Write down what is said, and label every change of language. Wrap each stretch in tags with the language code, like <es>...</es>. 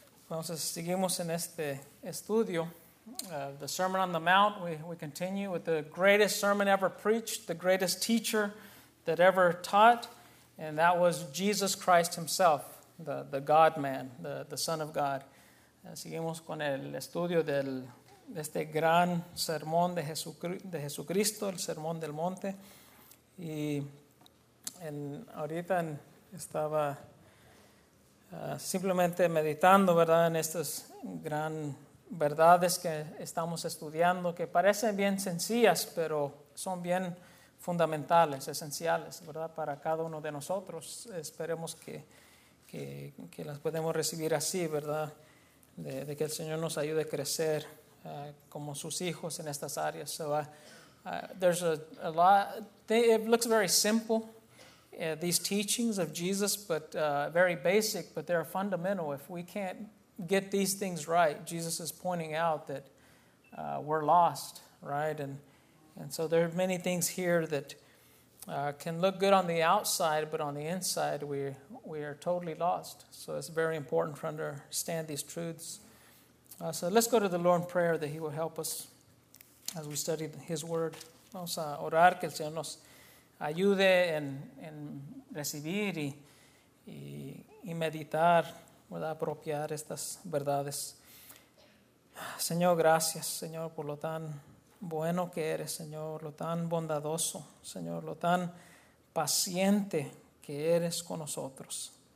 <es>Entonces, seguimos en este estudio.</es> <en>The Sermon on the Mount, we continue with the greatest sermon ever preached, the greatest teacher that ever taught, and that was Jesus Christ himself, the God-man, the Son of God.</en> <es>Seguimos con el estudio de este gran sermón de Jesucristo, el Sermón del Monte. Y ahorita estaba simplemente meditando, ¿verdad?, en estas gran verdades que estamos estudiando, que parecen bien sencillas, pero son bien fundamentales, esenciales, ¿verdad?, para cada uno de nosotros. Esperemos que las podemos recibir así, ¿verdad?, de que el Señor nos ayude a crecer como sus hijos en estas áreas.</es> <en>So there's a lot. It looks very simple, these teachings of Jesus, but very basic, but they're fundamental. If we can't get these things right, Jesus is pointing out that we're lost, right? And so there are many things here that can look good on the outside, but on the inside, we are totally lost. So it's very important to understand these truths. So let's go to the Lord in prayer that he will help us as we study his word.</en> <es>Vamos a orar que el Señor nos ayude en recibir y meditar, ¿verdad? Apropiar estas verdades. Señor, gracias, Señor, por lo tan bueno que eres, Señor, lo tan bondadoso, Señor, lo tan paciente que eres con nosotros.</es>